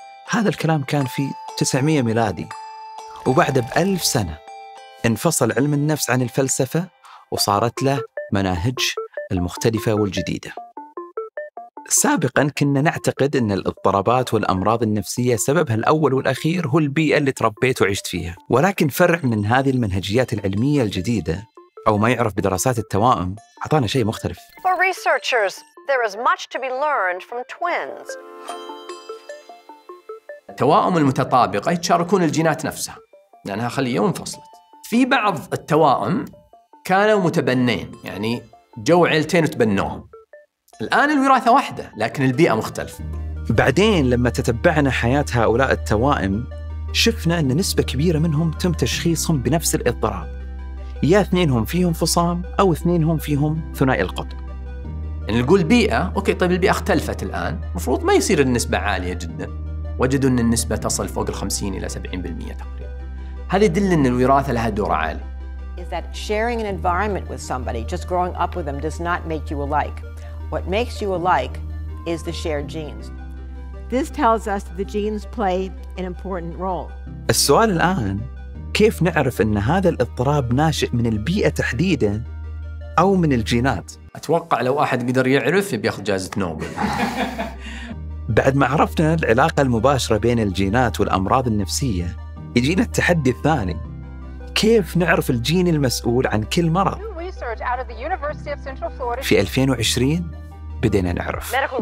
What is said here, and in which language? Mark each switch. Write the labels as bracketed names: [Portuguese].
[Arabic] هذا الكلام كان في 900 ميلادي، وبعد 1000 سنة انفصل علم النفس عن الفلسفة وصارت له مناهج المختلفة والجديدة. سابقا كنا نعتقد أن الاضطرابات والأمراض النفسية سببها الأول والأخير هو البيئة اللي تربيت وعشت فيها، ولكن فرع من هذه المنهجيات العلمية الجديدة أو ما يعرف بدراسات التوائم أعطانا شيء مختلف. [English] For researchers, there is much to be learned from twins. [Arabic] التوائم المتطابقة يتشاركون الجينات نفسها لأنها خلية وانفصلت. في بعض التوائم كانوا متبنين، يعني جو عيلتين وتبنوهم. الآن الوراثة واحدة لكن البيئة مختلفة. بعدين لما تتبعنا حياة هؤلاء التوائم شفنا أن نسبة كبيرة منهم تم تشخيصهم بنفس الاضطراب، يا اثنينهم فيهم فصام أو اثنينهم فيهم ثنائي القطب. يعني نقول بيئة، أوكي طيب البيئة اختلفت الآن، مفروض ما يصير النسبة عالية جدا. وجدوا أن النسبة تصل فوق 50 إلى 70% تقريبا. هذا يدل أن الوراثة لها دور عالي. [English] Is that sharing an environment with somebody, just growing up with them, does not make you alike. What makes you alike is the shared genes. This tells us that the genes play an important role. [Arabic] السؤال الآن كيف نعرف أن هذا الاضطراب ناشئ من البيئة تحديدا أو من الجينات؟ أتوقع لو أحد قدر يعرف بياخذ جائزة نوبل. بعد ما عرفنا العلاقة المباشرة بين الجينات والأمراض النفسية يجينا التحدي الثاني، كيف نعرف الجين المسؤول عن كل مرض؟ في 2020 بدينا نعرف.